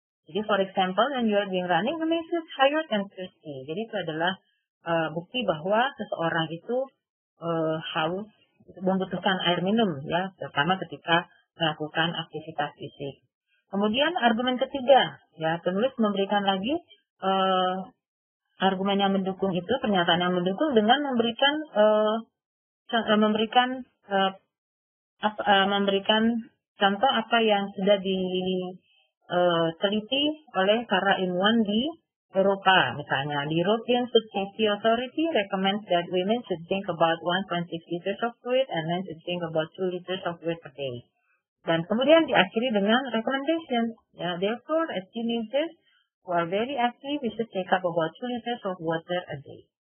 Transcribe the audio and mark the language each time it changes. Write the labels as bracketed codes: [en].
[id] Jadi, [en] for example, when you are being running, you may feel tired and thirsty. [id] Jadi, itu adalah bukti bahwa seseorang itu haus, membutuhkan air minum, ya, terutama ketika melakukan aktivitas fisik. Kemudian, argumen ketiga, ya, penulis memberikan lagi argumen yang mendukung itu, pernyataan yang mendukung dengan memberikan memberikan contoh apa yang sudah diteliti oleh para ilmuwan di Eropa. Misalnya, [en] the European Food Safety Authority recommends that women should drink about 1.6 liters of fluid and men should drink about 2 liters of fluid per day. [id] Dan kemudian diakhiri dengan recommendation. Ya, [en] therefore, as teenagers who are very active, you should take up about 2 liters of water a day.